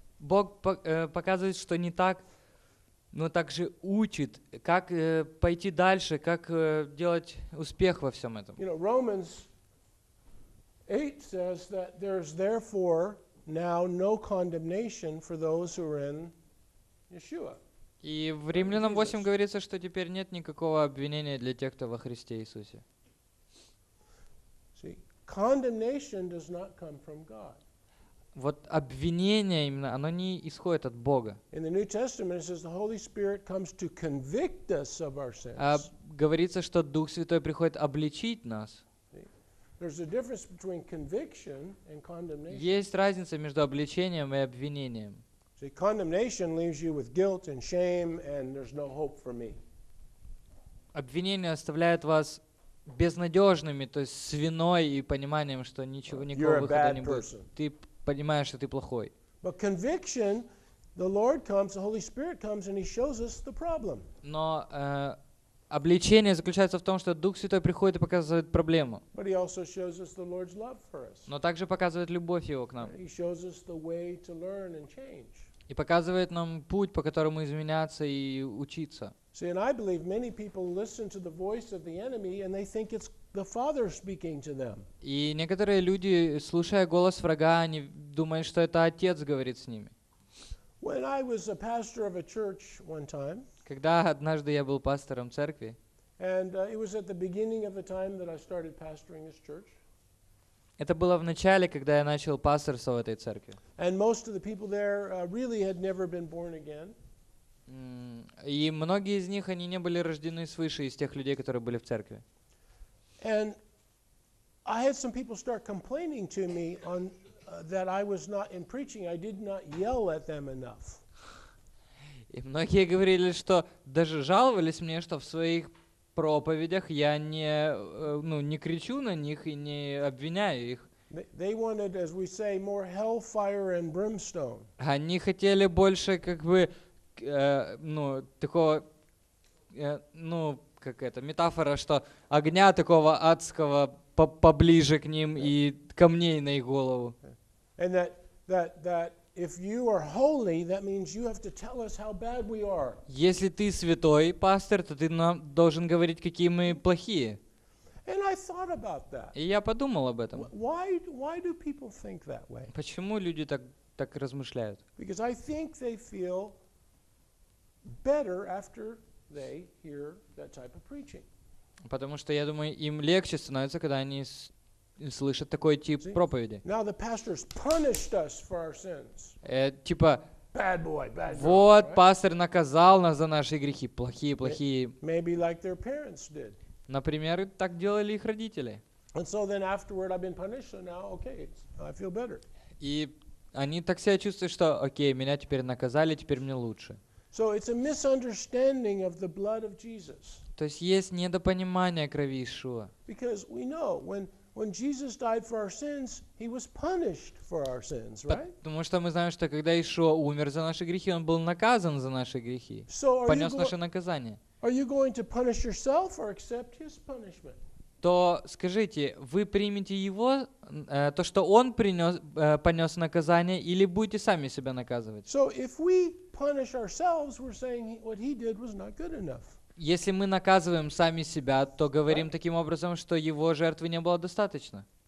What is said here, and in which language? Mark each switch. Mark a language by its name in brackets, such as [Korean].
[Russian] Бог показывает, что не так, но также учит, как пойти дальше, как делать успех во всем этом. [English] You know, Romans 8 says that there is therefore now no condemnation for those who are in Yeshua. [Russian] И в Римлянам 8 говорится, что теперь нет никакого обвинения для тех, кто во Христе Иисусе. [English] See, condemnation does not come from God. [Russian] Вот обвинение именно, оно не исходит от Бога. [English] In the New Testament it says the Holy Spirit comes to convict us of our sins. [Russian] А говорится, что Дух Святой приходит обличить нас. [English] There's a difference between conviction and condemnation. [Russian] Есть разница между обличением и обвинением. [English] See, condemnation leaves you with guilt and shame, and there's no hope for me. [Russian] Обвинение оставляет вас безнадежными, то есть с виной и пониманием, что ничего никакого выхода не будет. Ты понимаешь, что ты плохой. [English] But conviction, the Lord comes, the Holy Spirit comes, and He shows us the problem. [Russian] Но обличение заключается в том, что Дух Святой приходит и показывает проблему. [English] But He also shows us the Lord's love for us. [Russian] Но также показывает любовь Его к нам. [English] He shows us the way to learn and change. [Russian] И показывает нам путь, по которому изменяться и учиться. [English] See, and I believe many people listen to the voice of the enemy, and they think it's the Father speaking to them. [Russian] И некоторые люди, слушая голос врага, они думают, что это Отец говорит с ними. [English] When I was a pastor of a church one time. [Russian] Когда однажды я был пастором церкви. [English] And it was at the beginning of the time that I started pastoring this church. [Russian] Это было в начале, когда я начал пасторство в этой церкви. [English] And most of the people there really had never been born again. [Russian] И многие из них, они не были рождены свыше, из тех людей, которые были в церкви. [English] And I had some people start complaining to me on that I was not in preaching. I did not yell at them enough. [Russian] И многие говорили, что даже жаловались мне, что в своих проповедях я не, ну, не кричу на них и не обвиняю их. [English] They wanted, as we say, more hellfire and brimstone. [Russian] Они хотели больше, как бы, ну, такого, ну, как это, метафора, что огня такого адского поближе к ним и камней на их голову. [English] And that if you are holy, that means you have to tell us how bad we are. [Russian] Если ты святой, пастор, то ты нам должен говорить, какие мы плохие. [English] And I thought about that. [Russian] И я подумал об этом. [English] Why do people think that way? [Russian] Почему люди так размышляют? [English] Because I think they feel better after they hear that type of preaching. [Russian] Потому что я думаю, им легче становится, когда они слышат такой тип проповеди. [English] Now the pastor's punished us for our sins. [Russian] Типа, [English] bad boy, bad girl, [Russian] вот [English] right? [Russian] Пастор наказал нас за наши грехи, плохие. [English] Maybe like their parents did. [Russian] Например, так делали их родители. [English] And so then afterward I've been punished, so now okay, I feel better. [Russian] И они так себя чувствуют, что окей, меня теперь наказали, теперь мне лучше. [English] So it's a misunderstanding of the blood of Jesus. [Russian] То есть есть недопонимание крови Иешуа. [English] Because we know when Jesus died for our sins, he was punished for our sins, right? [Russian] Потому что мы знаем, что когда Иешуа умер за наши грехи, он был наказан за наши грехи. Понес наше наказание. [English] Are you going to punish yourself or accept his punishment? [Russian] То скажите, вы примете его, то, что он принес, понес наказание, или будете сами себя наказывать? [English] So if we punish ourselves, we're saying what he did was not good enough. [Russian] Если мы наказываем сами себя, то говорим таким образом, что его жертвы не было достаточно.